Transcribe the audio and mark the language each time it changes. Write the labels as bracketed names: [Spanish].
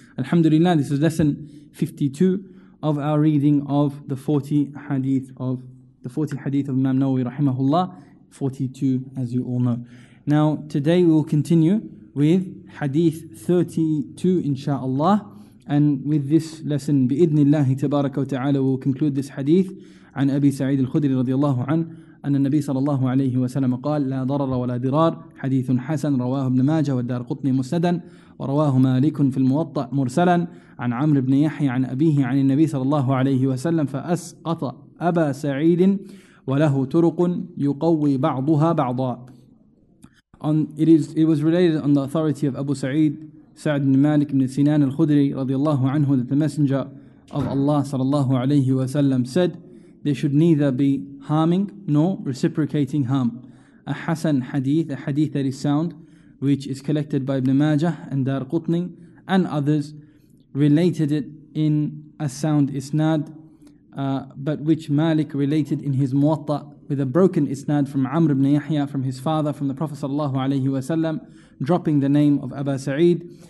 [English] Alhamdulillah, this is lesson 52 of our reading of the 40 hadith of Imam Nawawi rahimahullah. 42, as you all know. Now, today we will continue with Hadith 32, insha'Allah. And with this lesson, bi'idhnillahi tabaraka wa ta'ala, we will conclude this Hadith [Arabic] عن أبي سعيد الخدري رضي الله عنه أن النبي صلى الله عليه وسلم قال لا ضرر ولا ضرار حديث حسن رواه ابن ماجه والدار قطني مسندا ورواه مالك في الموطأ مرسلا عن عمرو بن يحيى عن أبيه عن النبي صلى الله عليه وسلم فأسقط أبا سعيد وله طرق يقوي بعضها بعضا. [English] It was related on the authority of Abu Sa'id, Sa'd ibn Malik ibn Sinan al-Khudri radiallahu anhu, that the Messenger of Allah sallallahu alayhi wa sallam said, there should neither be harming nor reciprocating harm. A Hasan hadith, a hadith that is sound, which is collected by Ibn Majah and Dar Qutni and others, related it in a sound isnad, but which Malik related in his Muwatta with a broken isnad from Amr ibn Yahya, from his father, from the Prophet sallallahu alayhi wa sallam, dropping the name of Aba Sa'id.